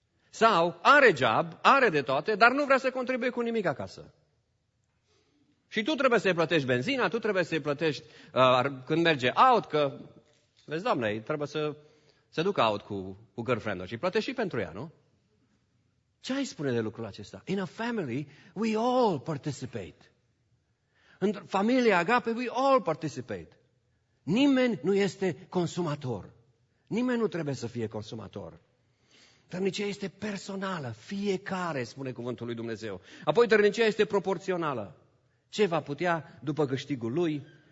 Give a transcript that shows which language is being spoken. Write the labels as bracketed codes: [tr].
[ro] Sau are job, are de toate, dar nu vrea să contribuie cu nimic acasă. Și tu trebuie să-i plătești benzina, tu trebuie să-i plătești când merge out, că, vezi, doamne, trebuie să se ducă out cu girlfriend-ul și plătești și pentru ea, nu? Ce ai spune de lucrul acesta? [en] In a family, we all participate. [ro] În familia Agape, [en] we all participate. [ro] Nimeni nu este consumator. Nimeni nu trebuie să fie consumator. Tărnicia este personală, fiecare, spune cuvântul lui Dumnezeu. Apoi tărnicia este proporțională. Ce va putea după câștigul lui?